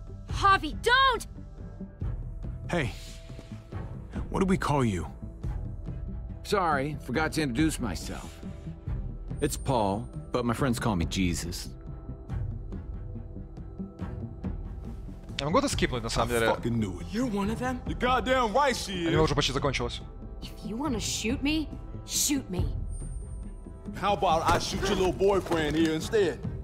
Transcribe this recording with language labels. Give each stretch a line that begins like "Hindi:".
English: Javi, don't! Hey, what do we call you? Sorry, forgot to introduce myself. It's Paul, but my friends call me Jesus.
Russian: Я могу это скипнуть, на самом деле?
English: I fucking knew it. You're one of them? You're goddamn right, she is.
Russian: Аниме уже почти закончилось.
English: If you want to shoot me, shoot me. How about I shoot your little boyfriend here instead?